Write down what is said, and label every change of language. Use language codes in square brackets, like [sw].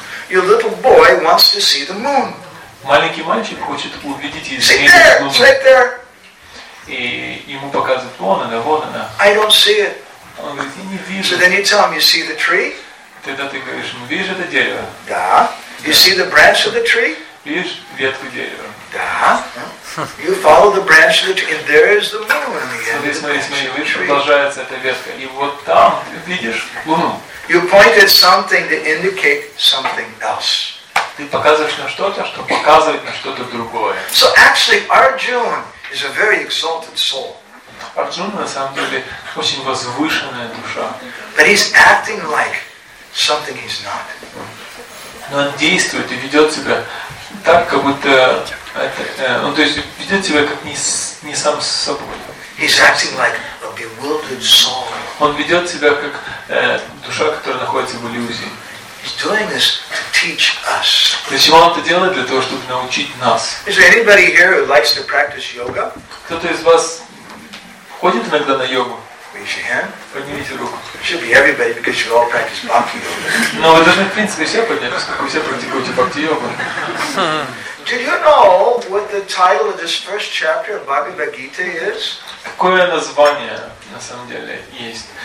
[en] Your little boy wants to see the moon. [ru] Маленький мальчик хочет увидеть и измерить луну. И ему показывают, вон она. [en] I don't see it. [ru] Он говорит, я не вижу. [en] So then you tell him you see the tree? [ru] Тогда ты говоришь, видишь это дерево? Да. [en] You see the branch of the tree? [ru] Видишь ветку дерева? Да. [en] You follow the branch of the tree, and there is the moon. [ru] Смотри, видишь, продолжается эта ветка, и вот там видишь луну. [en] You point at something to indicate something else. [ru] Ты показываешь на что-то, что показывает на что-то другое. [en] So actually, Arjuna is a very exalted soul. [ru] Арджуна на самом деле очень возвышенная душа. [en] But he's acting like something he's not. [ru] Но он действует и ведет себя так, как будто это, ну, то есть ведет себя как не сам с собой. [en] He's acting like a bewildered soul. [ru] Он ведет себя как душа, которая находится в иллюзии. [en] He's doing this to teach us. [ru] Почему он это делает? Для того, чтобы научить нас. [en] Is there anybody here who likes to practice yoga? [ru] Кто-то из вас ходит иногда на йогу? [en] Raise your hand. [ru] Поднимите руку. [en] It should be everybody because you all practice bhakti yoga. [ru] Но вы должны в принципе все поднять, поскольку все практикуете бхакти йогу. [en] Do you know what the title of this first chapter of Bhagavad Gita is? [ru] Какое название на самом деле есть?